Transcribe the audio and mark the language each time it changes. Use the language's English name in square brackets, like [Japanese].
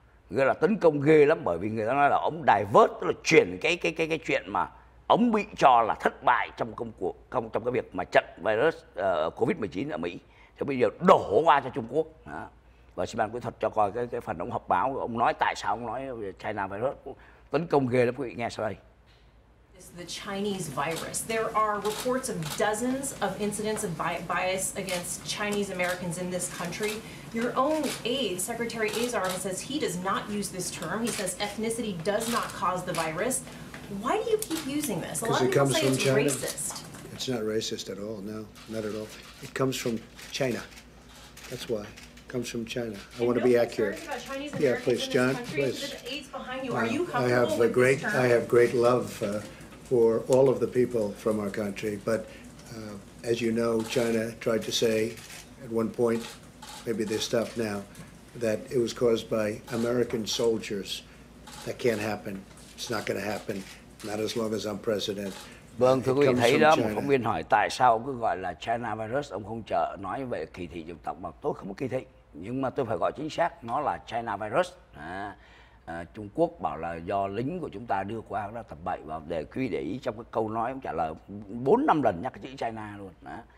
[Vietnamese] Gọi là tấn công ghê lắm, bởi vì người ta nói là ông divert, tức là chuyển cái chuyện mà ông bị cho là thất bại trong trong cái việc mà chặn virus COVID-19 ở Mỹ, thì bây giờ đổ qua cho Trung Quốc. Đó. và xin ban kỹ thuật cho coi cái phần ông họp báo ông nói tại sao ông nói China virus tấn công ghê lắm, quý vị nghe sau đây. [English] The Chinese virus. There are reports of dozens of incidents of bias against Chinese Americans in this country. Your own aide, Secretary Azar, says he does not use this term. He says ethnicity does not cause the virus. Why do you keep using this? A lot of people say it's racist. It's not racist at all. No, not at all. It comes from China. That's why. Comes from China. I want to be accurate. Yeah, please, John. Please. I have a great. I have great love for all of the people from our country. But as you know, China tried to say at one point, maybe they stopped now, that it was caused by American soldiers. That can't happen. It's not going to happen. Not as long as I'm president. [Vietnamese] Vâng, thưa quý vị thấy đó, một phóng viên hỏi tại sao cứ gọi là China virus, ông không chờ nói về kỳ thị dân tộc mà tôi không có kỳ thị. Nhưng mà tôi phải gọi chính xác, nó là China virus. Trung Quốc bảo là do lính của chúng ta đưa qua đó tập bậy, và để quý vị để ý trong cái câu nói ông trả lời 4-5 lần nhắc cái chữ China luôn. Đó.